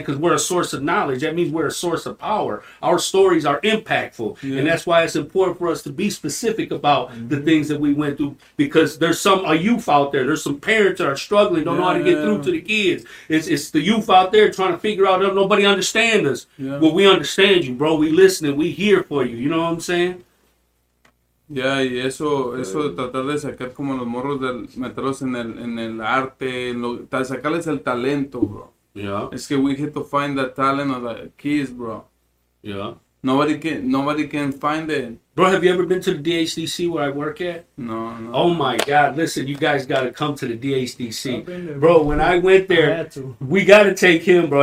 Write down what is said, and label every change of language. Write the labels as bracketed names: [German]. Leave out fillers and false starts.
[English] Because we're a source of knowledge. That means we're a source of power. Our stories are impactful, and that's why it's important for us to be specific about the things that we went through, because there's a youth out there. There's some parents that are struggling, don't know how to get through to the kids. It's the youth out there trying to figure out, nobody understand us. Yeah. Well, we understand you, bro. We listening. We hear for you. You know what I'm saying? Yeah, [Spanish] y eso de tratar de sacar como los morros, de meterlos en el arte, sacarles el talento, bro. Yeah. [English] It's [Spanish] que [English] we have to find the talent of the kids, bro. Yeah. Nobody can find it. Bro, have you ever been to the DHDC where I work at? No. Oh, my God. Listen, you guys got to come to the DHDC. Bro, when I went there, we got to take him, bro.